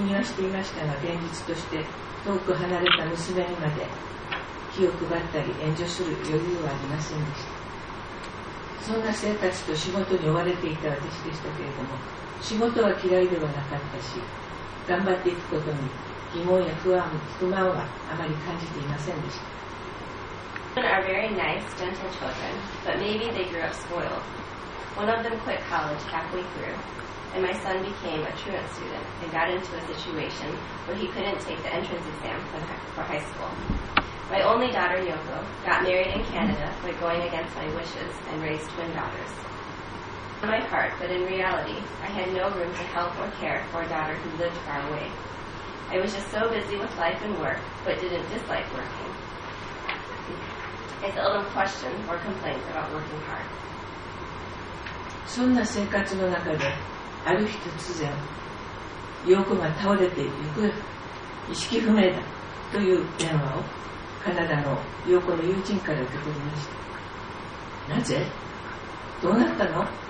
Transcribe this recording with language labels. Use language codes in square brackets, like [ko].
[ja] 気にはしていましたが、現実として遠く離れた娘にまで、気を配ったり援助する余裕はありませんでした。そんな生活と仕事に追われていた私でしたけれども、仕事は嫌いではなかったし、頑張っていくことに疑問や不満はあまり感じていませんでした。 [en] Children are very nice, gentle children, but maybe they grew up spoiled. One of them quit college halfway through, and my son became a truant student and got into a situation where he couldn't take the entrance exam for high school. My only daughter, Yoko, got married in Canada by going against my wishes and raised twin daughters. In my heart, but in reality, I had no room to help or care for a daughter who lived far away. I was just so busy with life and work, but didn't dislike working. I seldom questioned or complained about working hard. [ja] そんな生活の中で、ある日突然、Yoko が倒れて行く、意識不明だという電話をカナダの陽子の友人から受け取りました。なぜ？どうなったの？